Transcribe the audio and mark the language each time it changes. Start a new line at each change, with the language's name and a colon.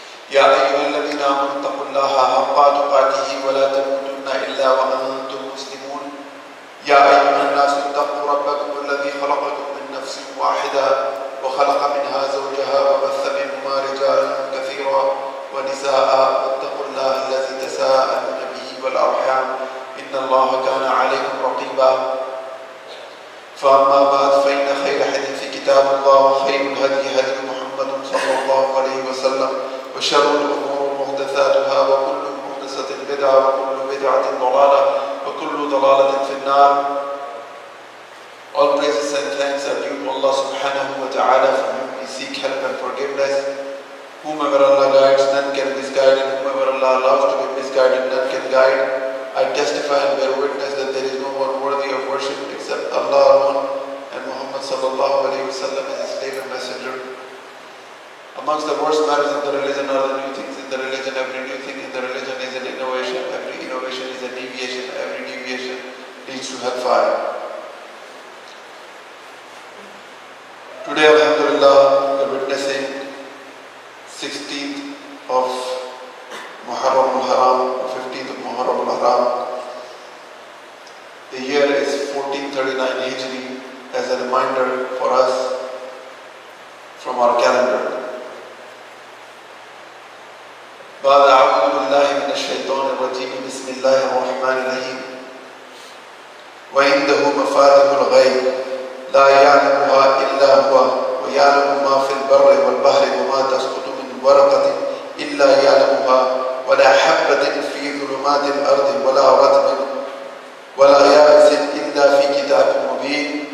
Arabic: يا أيها الذين آمنوا اتقوا الله حق تقاته ولا تموتن إلا وأنتم مسلمون يا أيها الناس اتقوا ربكم الذي خلقكم من نفس واحدة وخلق منها زوجها وبث منهما رجالا كثيرا ونساء واتقوا الله الذي تساءلون به والأرحام إن الله كان عليكم رقيبا فأما بعد فإن خير حديث كتاب الله وخير الهدي هدي محمد صلى الله عليه وسلم وشر الأمور محدثاتها وكل محدثة بدعة وكل بدعة ضلالة وكل ضلالة في النار.
English: All praises and thanks are due to Allah subhanahu wa ta'ala, from whom we seek help and forgiveness. Whomever Allah guides, none can misguide, and whomever Allah allows to be misguided, none can guide. I testify and bear witness that there is no one worthy of worship except Allah alone, and Muhammad sallallahu alayhi wa sallam is his slave and messenger. Amongst the worst matters in the religion are the new things in the religion. Every new thing in the religion is an innovation. Every innovation is a deviation. Every deviation leads to hellfire. Today, alhamdulillah, we are witnessing 16th of Muharram al-Haram, 15th of Muharram al-Haram. The year is 1439 Hijri, as a reminder for us from our calendar.
Arabic: بعد أعوذ بالله من الشيطان الرجيم بسم الله الرحمن الرحيم وعنده مفاتح الغيب لا يعلمها إلا هو ويعلم ما في البر والبحر وما تسقط من ورقة إلا يعلمها ولا حبة في ظلمات الأرض ولا رطب ولا يابس إلا في كتاب مبين.